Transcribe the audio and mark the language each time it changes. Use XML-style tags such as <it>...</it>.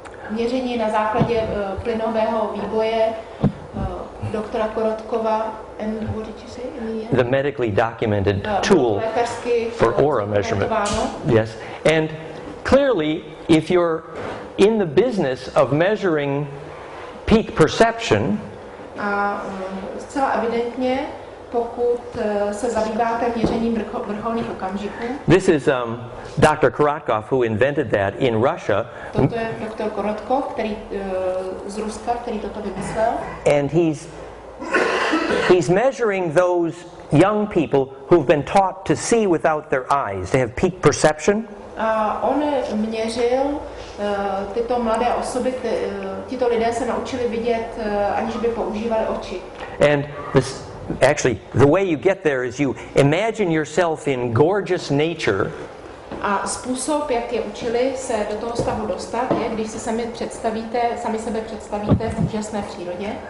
<cs>Měření na základě plynového výboje doktora Korotkova</cs> <en>and what did you say? Yeah. The medically documented tool for aura measurement. Yes. And clearly, if you're in the business of measuring peak perception,</en> <cs>a zcela evidentně, pokud se zabýváte měřením vrcholných okamžiků.</cs> <en>This is Dr. Korotkov, who invented that in Russia.</en> <cs>Toto je doktor Korotkov, který z Ruska, který toto vymyslel.</cs> <en>And he's He's measuring those young people who've been taught to see without their eyes. They have peak perception.</en> <cs>A on měřil tyto mladé osoby, tito lidé se naučili vidět, aniž by používali oči.</cs> <en>And this, actually, the way you get there is you imagine yourself in gorgeous nature.</en> <cs>A způsob, jak je učili se do toho stavu dostat, je, když si sami sebe představíte v úžasné přírodě.</cs>